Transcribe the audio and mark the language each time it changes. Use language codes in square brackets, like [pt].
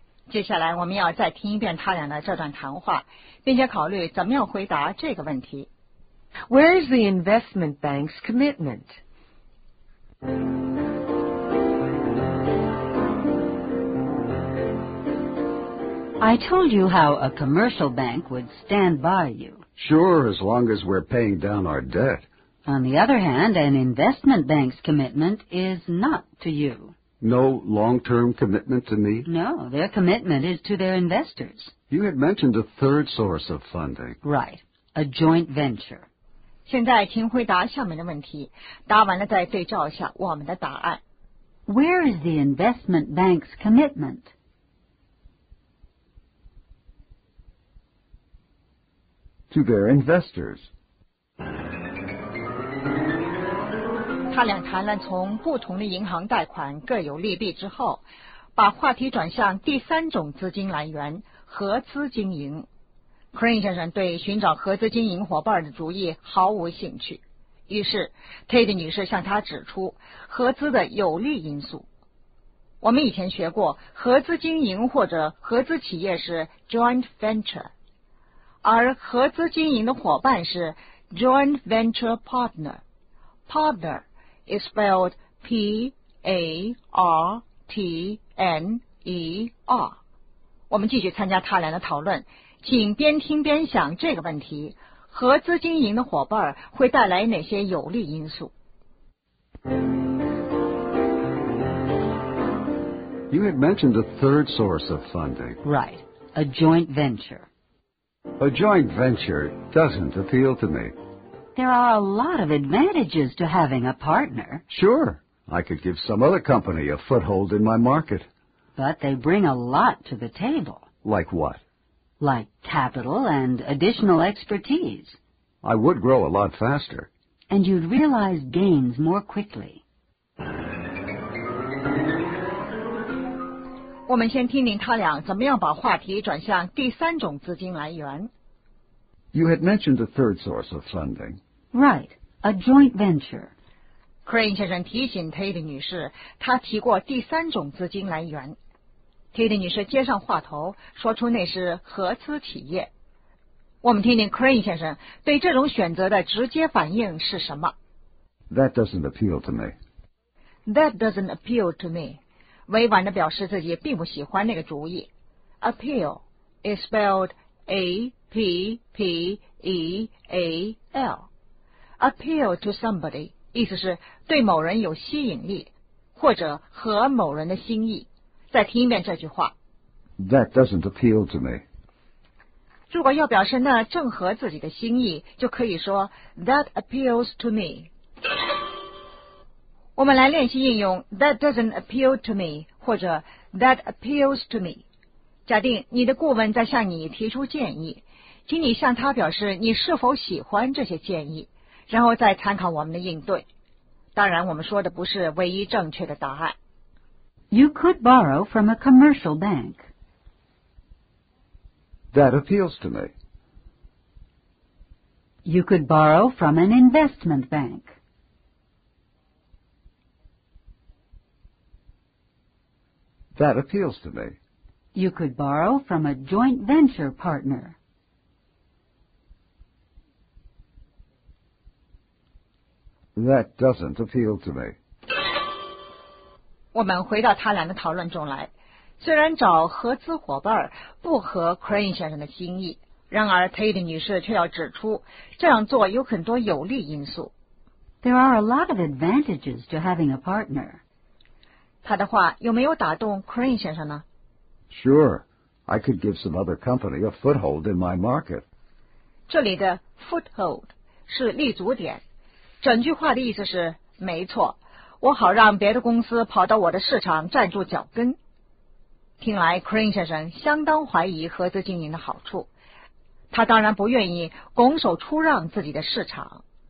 [zh] 接下来我们要再听一遍他俩的这段谈话，并且考虑怎么样回答这个问题。 [en] Where is the investment bank's commitment? I told you how a commercial bank would stand by you. Sure, as long as we're paying down our debt. On the other hand, an investment bank's commitment is not to you. No long-term commitment to me? No, their commitment is to their investors. You had mentioned a third source of funding. Right, a joint venture. [zh] 现在请回答下面的问题，答完了再对照一下我们的答案。 [en] Where is the investment bank's commitment? To their investors. [zh] 他俩谈了从不同的银行贷款各有利弊之后，把话题转向第三种资金来源——合资经营。 Crane 先生对寻找合资经营伙伴的主意毫无兴趣，于是 Kate 女士向他指出合资的有利因素。我们以前学过，合资经营或者合资企业是 joint venture。而合资经营的伙伴是 joint venture partner. [en] Partner is spelled P-A-R-T-N-E-R. [zh] 我们继续参加他俩的讨论，请边听边想这个问题：合资经营的伙伴会带来哪些有利因素 [en] ？You had mentioned a third source of funding. Right, a joint venture. A joint venture doesn't appeal to me. There are a lot of advantages to having a partner. Sure, I could give some other company a foothold in my market. But they bring a lot to the table. Like what? Like capital and additional expertise. I would grow a lot faster. And you'd realize gains more quickly. [zh] 我们先听听他俩怎么样把话题转向第三种资金来源。 [en] You had mentioned a third source of funding. Right, a joint venture. [zh] Crane 先生提醒 Tate 女士，她提过第三种资金来源。 Tate 女士接上话头，说出那是合资企业。我们听听 Crane 先生对这种选择的直接反应是什么。 [en] That doesn't appeal to me. That doesn't appeal to me. [zh] 委婉地表示自己并不喜欢那个主意。 [en] Appeal is spelled A-P-P-E-A-L. Appeal to somebody [zh] 意思是对某人有吸引力，或者合某人的心意。再听一遍这句话。 [en] That doesn't appeal to me. [zh] 如果要表示那正合自己的心意，就可以说 [en] That appeals to me. [zh] 我们来练习应用 [en] that doesn't appeal to me [zh] 或者 [en] that appeals to me。 [zh] 假定你的顾问在向你提出建议，请你向他表示你是否喜欢这些建议，然后再参考我们的应对。当然，我们说的不是唯一正确的答案。 [en] You could borrow from a commercial bank. That appeals to me. You could borrow from an investment bank. That appeals to me. You could borrow from a joint venture partner. That doesn't appeal to me. [zh] 我们回到他俩的讨论中来。虽然找合资伙伴不合 Crane 先生的心意，然而 Tate 女士却要指出，这样做有很多有利因素。 [en] There are a lot of advantages to having a partner. [zh] 他的话有没有打动 Crane 先生呢？ [en] Sure, I could give some other company a foothold in my market. [zh] 这里的 foothold 是立足点。整句话的意思是，没错，我好让别的公司跑到我的市场站住脚跟。听来 Crane 先生相当怀疑合资经营的好处，他当然不愿意拱手出让自己的市场。